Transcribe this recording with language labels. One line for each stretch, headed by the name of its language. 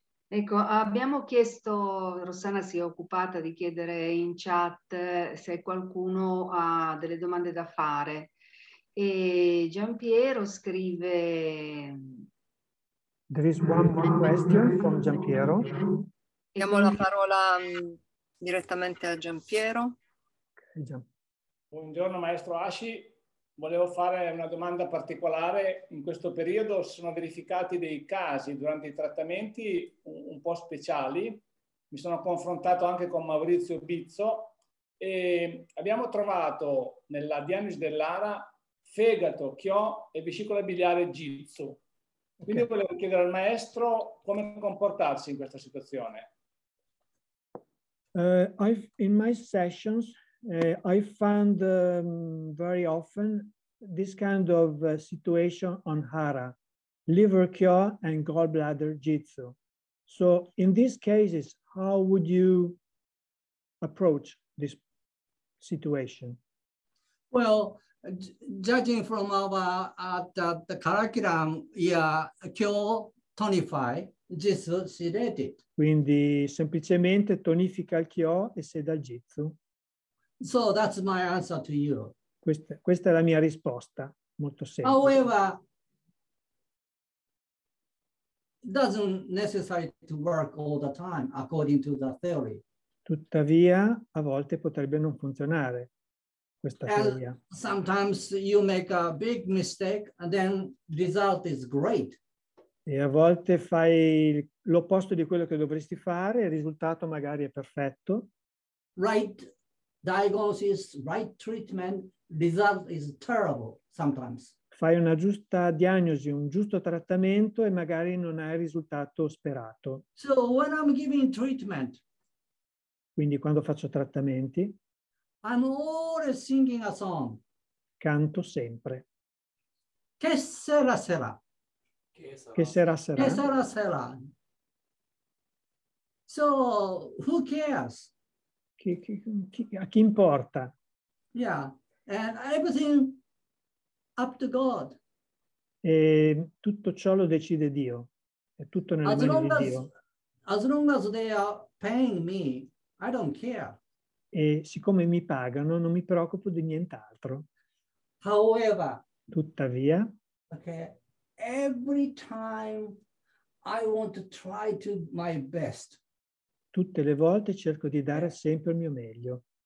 Italian: Ecco, abbiamo chiesto, Rossana si è occupata di chiedere in chat se qualcuno ha delle domande da fare. E Gian Piero scrive...
English: There is one more question from Gian Piero.
Italian: Diamo la parola direttamente a Gian Piero. Buongiorno maestro Asci, volevo fare una domanda particolare. In questo periodo si sono verificati dei casi durante i trattamenti un po' speciali. Mi sono confrontato anche con Maurizio Bizzo e abbiamo trovato nella diagnosi dell'ARA fegato, chio e vescicola biliare jitsu. Quindi okay. Volevo chiedere al maestro come comportarsi in questa situazione.
English: In my sessions, I found very often this kind of situation on Hara, liver kyo and gallbladder jitsu. So in these cases, how would you approach this situation? Well, judging from our the curriculum, yeah, kyo tonify. Jitsu sedated.
Italian: Quindi semplicemente tonifica il chio e seda il jitsu.
English: So that's my answer to you.
Italian: Questa è la mia risposta, molto semplice.
English: However, doesn't necessary to work all the time according to the theory.
Italian: Tuttavia, a volte potrebbe non funzionare questa teoria.
English: Sometimes you make a big mistake and then result is great.
Italian: E a volte fai l'opposto di quello che dovresti fare, il risultato magari è perfetto.
English: Right diagnosis, right treatment, result is terrible sometimes.
Italian: Fai una giusta diagnosi, un giusto trattamento e magari non hai il risultato sperato.
English: So when I'm giving treatment,
Italian: quindi quando faccio trattamenti,
English: I'm always singing a song.
Italian: canto sempre. Che sera sarà? Che sera sarà? Che sera sarà?
English: So, who cares?
Italian: A chi importa?
English: Yeah, and everything up to God.
Italian: E tutto ciò lo decide Dio. È tutto nelle mani di Dio.
English: As long as they are paying me, I don't care.
Italian: E siccome mi pagano, non mi preoccupo di nient'altro.
English: However,
Italian: tuttavia,
English: okay, every time I want to try to my best.
Italian: Tutte le volte cerco di dare sempre il mio meglio.